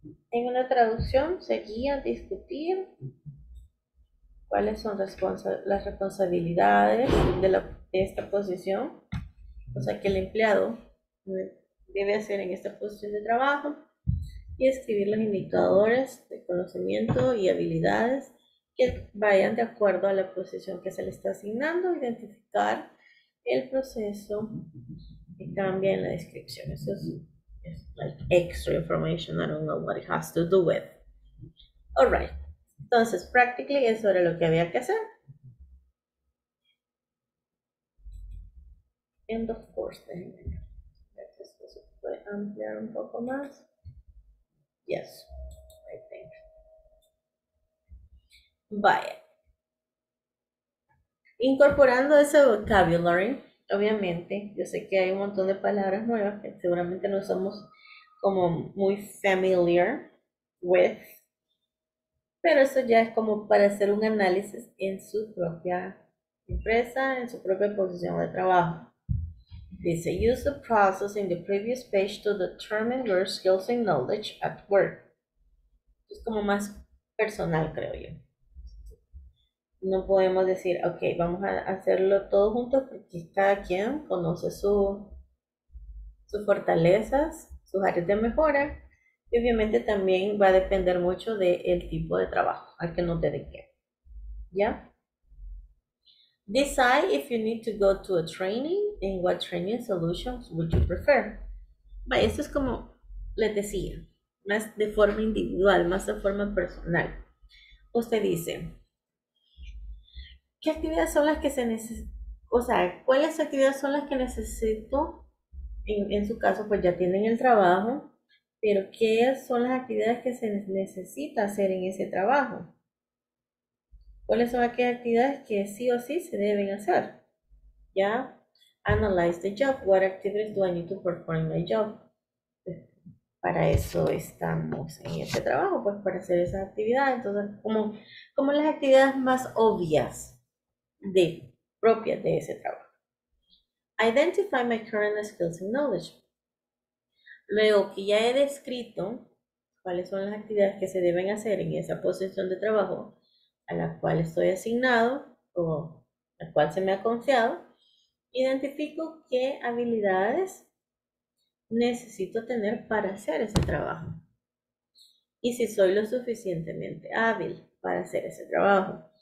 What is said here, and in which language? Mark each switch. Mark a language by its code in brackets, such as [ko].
[es] En una traducción seguía discutir cuáles son las responsabilidades de esta posición, o sea que el empleado debe hacer en esta posición de trabajo y escribir los indicadores de conocimiento y habilidades que vayan de acuerdo a la posición que se le está asignando, identificar el proceso que cambia en la descripción. Eso es [en] like extra information, I don't know what it has to do with. All right. [es] Entonces, practically eso era lo que había que hacer. [en] And of course, then, [es] esto se puede ampliar un poco más. [en] Yes, I think. Vaya. [es] Incorporando ese vocabulary, obviamente, yo sé que hay un montón de palabras nuevas que seguramente no somos como muy [en] familiar with, [es] pero eso ya es como para hacer un análisis en su propia empresa, en su propia posición de trabajo. [en] Dice, use the process in the previous page to determine your skills and knowledge at work. [es] Es como más personal, creo yo. No podemos decir, ok, vamos a hacerlo todos juntos porque cada quien conoce sus fortalezas, sus áreas de mejora. Y obviamente también va a depender mucho del tipo de trabajo al que nos dedique. ¿Ya? [en] Decide if you need to go to a training and what training solutions would you prefer. [es] Vaya, esto es como les decía, más de forma individual, más de forma personal. Usted dice, ¿qué actividades son las que se necesitan? O sea, ¿cuáles actividades son las que necesito? En su caso, pues ya tienen el trabajo, pero ¿qué son las actividades que se necesita hacer en ese trabajo? ¿Cuáles son aquellas actividades que sí o sí se deben hacer? [en] ¿Ya? Analyze the job. What activities do I need to perform my job? [es] Para eso estamos en este trabajo, pues para hacer esas actividades. Entonces, como las actividades más obvias de propias de ese trabajo. [en] Identify my current skills and knowledge. [es] Luego que ya he descrito cuáles son las actividades que se deben hacer en esa posición de trabajo a la cual estoy asignado o la cual se me ha confiado, identifico qué habilidades necesito tener para hacer ese trabajo y si soy lo suficientemente hábil para hacer ese trabajo.